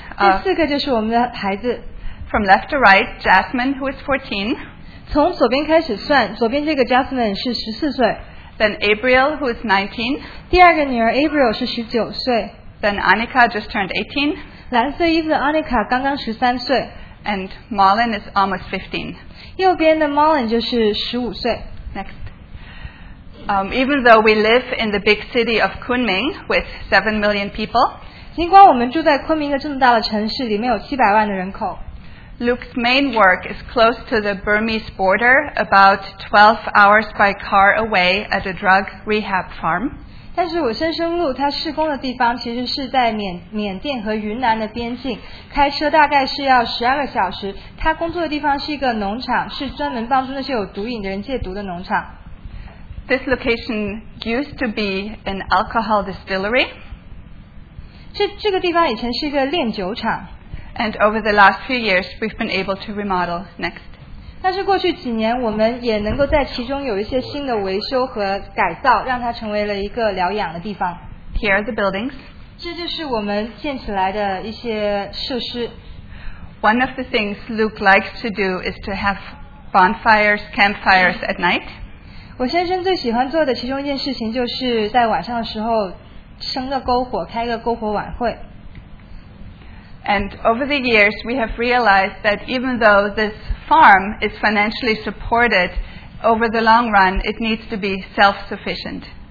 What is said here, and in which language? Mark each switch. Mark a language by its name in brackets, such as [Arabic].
[Chinese] 第四个就是我们的孩子。 [English] From left to right, Jasmine, who is 14. [Chinese] 从左边开始算，左边这个Jasmine是14岁。 [English] Then Abriel, who is 19. [Chinese] 第二个女儿Abriel是19岁。 [English] Then Annika just turned 18. [Chinese] 蓝色衣服的Annika刚刚13岁。 [English] And Malin is almost 15. [Chinese] 右边的Malin就是15岁。 [English] Next. Even though we live in the big city of Kunming with 7 million people, [Chinese] 尽管我们住在昆明一个这么大的城市，里面有700万的人口。 [English] Luke's main work is close to the Burmese border, about 12 hours by car away at a drug rehab farm. [Chinese] 但是我先生路，他施工的地方其实是在缅甸和云南的边境，开车大概是要12个小时。他工作的地方是一个农场，是专门帮助那些有毒瘾的人戒毒的农场。 [English] This location used to be an alcohol distillery. [Chinese] 这个地方以前是一个炼酒厂。 [English] And over the last few years, we've been able to remodel. Next. [Chinese] 但是过去几年，我们也能够在其中有一些新的维修和改造，让它成为了一个疗养的地方。 [English] Here are the buildings. [Chinese] 这就是我们建起来的一些设施。 [English] One of the things Luke likes to do is to have bonfires, campfires at night. [Chinese] 我先生最喜欢做的其中一件事情就是在晚上的时候生个篝火，开个篝火晚会。 [English] And over the years, we have realized that even though this farm is financially supported, over the long run, it needs to be self-sufficient.